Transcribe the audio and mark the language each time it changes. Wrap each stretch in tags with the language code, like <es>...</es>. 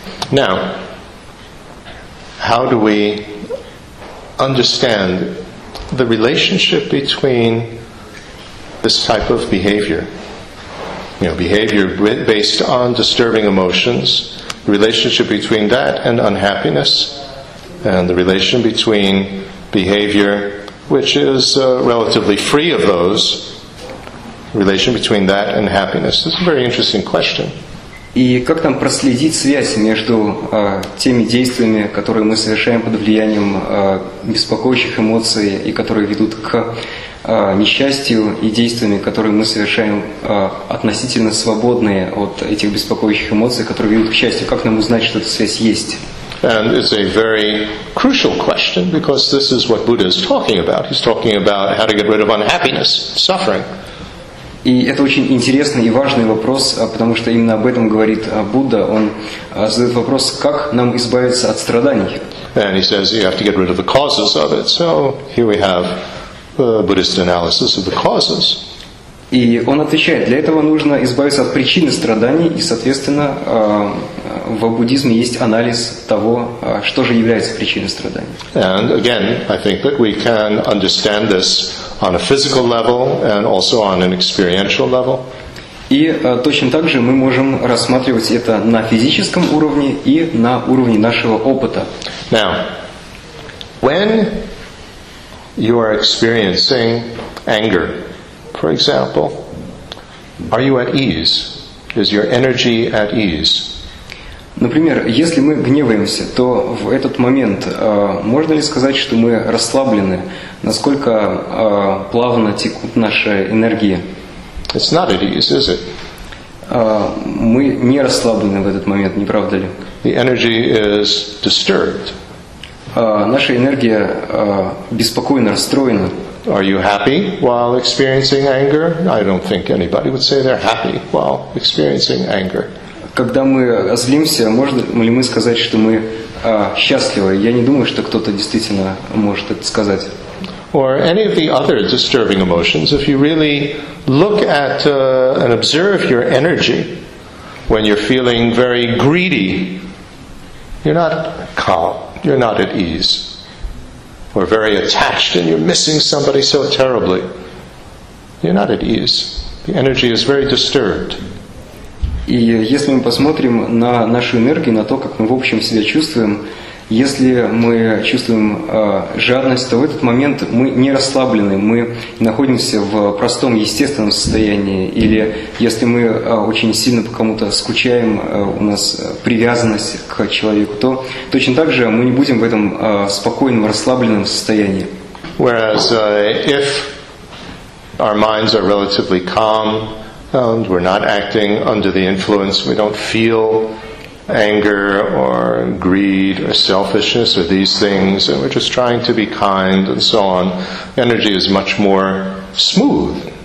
<en>Now, how do we understand the relationship between this type of behavior? You know, behavior based on disturbing emotions, the relationship between that and unhappiness, and the relation between behavior which is relatively free of those, the relation between that and happiness. It's a very interesting question.</en> <ru>И как там проследить связь между теми действиями, которые мы совершаем под влиянием беспокоящих эмоций и которые ведут к несчастью, и действиями, которые мы совершаем относительно свободные от этих беспокоящих эмоций, которые ведут к счастью? Как нам узнать, что эта связь есть?</ru> <en>And it's a very crucial question because this is what Buddha is talking about. He's talking about how to get rid of unhappiness, suffering.</en> <ru>И это очень интересный и важный вопрос, потому что именно об этом говорит Будда. Он задает вопрос, как нам избавиться от страданий.</ru> <en>And he says you have to get rid of the causes of it. So here we have the Buddhist analysis of the causes.</en> <ru>И он отвечает, для этого нужно избавиться от причины страданий, и, соответственно, в буддизме есть анализ того, что же является причиной страданий.</ru> <en>And again, I think that we can understand this on a physical level and also on an experiential level.</en> <ru>И точно так же мы можем рассматривать это на физическом уровне и на уровне нашего опыта.</ru> <en>Now, when you are experiencing anger, for example, are you at ease? Is your energy at ease?</en> <ru>Например, если мы гневаемся, то в этот момент можно ли сказать, что мы расслаблены? Насколько плавно текут наши энергии?</ru> <en>It's not at ease, is it?</en> <ru>Мы не расслаблены в этот момент, не правда ли?</ru> <en>The energy is disturbed.</en> <ru>Наша энергия беспокойно расстроена.</ru> <en>Are you happy while experiencing anger? I don't think anybody would say they're happy while experiencing anger.</en> <ru>Когда мы злимся, можем ли мы сказать, что мы счастливы? Я не думаю, что кто-то действительно может это сказать.</ru> <en>Or any of the other disturbing emotions, if you really look at and observe your energy when you're feeling very greedy, you're not calm, you're not at ease, or very attached and you're missing somebody so terribly, you're not at ease. The energy is very disturbed.</en> <ru>И если мы посмотрим на нашу энергию, на то, как мы в общем себя чувствуем, если мы чувствуем жадность, то в этот момент мы не расслаблены, мы находимся в простом естественном состоянии. Или если мы очень сильно по кому-то скучаем, у нас привязанность к человеку, то точно так же мы не будем в этом спокойном, расслабленном состоянии.</ru> <en>Whereas if our minds are relatively calm, and we're not acting under the influence, we don't feel anger or greed or selfishness or these things, and we're just trying to be kind and so on, energy is much more smooth.</en>